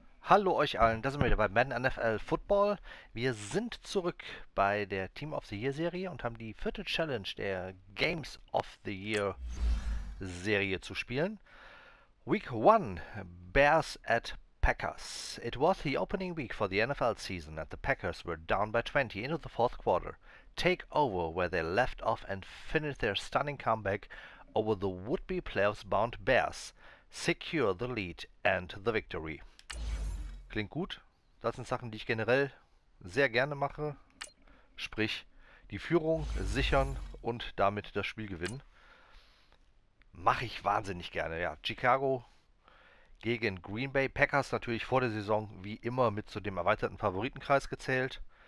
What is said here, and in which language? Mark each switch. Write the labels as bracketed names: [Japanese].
[German] Hallo euch allen, da sind wir wieder bei Madden NFL Football. Wir sind zurück bei der Team of the Year Serie und haben die vierte Challenge der Games of the Year Serie zu spielen. [English] Week 1, Bears at Packers. It was the opening week for the NFL season and the Packers were down by 20 into the fourth quarter. Take over where they left off and finish their stunning comeback over the would-be playoffs bound Bears. Secure the lead and the victory. [German] Klingt gut. Das sind Sachen, die ich generell sehr gerne mache. Sprich, die Führung sichern und damit das Spiel gewinnen. Mache ich wahnsinnig gerne. Ja, Chicago gegen Green Bay. Packers natürlich vor der Saison wie immer mit zu dem erweiterten Favoritenkreis gezählt.